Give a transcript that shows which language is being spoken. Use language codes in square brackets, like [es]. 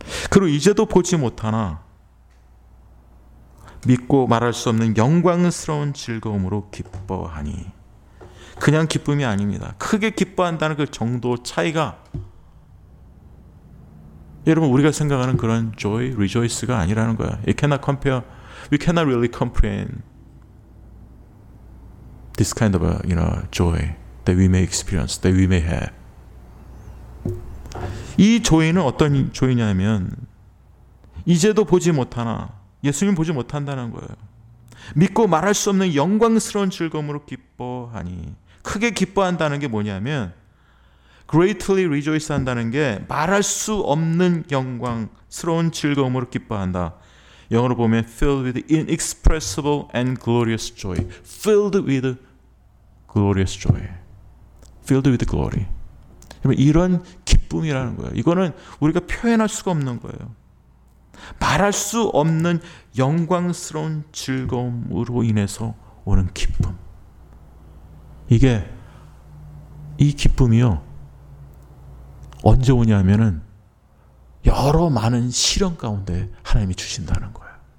[ko] 그리고 이제도 보지 못하나 믿고 말할 수 없는 영광스러운 즐거움으로 기뻐하니, 그냥 기쁨이 아닙니다. 크게 기뻐한다는 그 정도 차이가 여러분 우리가 생각하는 그런 joy, rejoice가 아니라는 거야. [en] It cannot compare, we cannot really comprehend this kind of a, you know, joy that we may experience, that we may have. [ko] 이 조이는 어떤 조이냐면 이제도 보지 못하나, 예수님 보지 못한다는 거예요. 믿고 말할 수 없는 영광스러운 즐거움으로 기뻐하니, 크게 기뻐한다는 게 뭐냐면 [en] greatly rejoice [ko] 한다는 게 말할 수 없는 영광스러운 즐거움으로 기뻐한다. 영어로 보면 [en] filled with inexpressible and glorious joy. Filled with glorious joy. Filled with glory. [ko] 이런 기쁨이라는 거예요. 이거는 우리가 표현할 수가 없는 거예요. 말할 수 없는 영광스러운 즐거움으로 인해서 오는 기쁨. 이게 이 기쁨이요 언제 오냐면은 여러 많은 시련 가운데 하나님이 주신다는 거예요.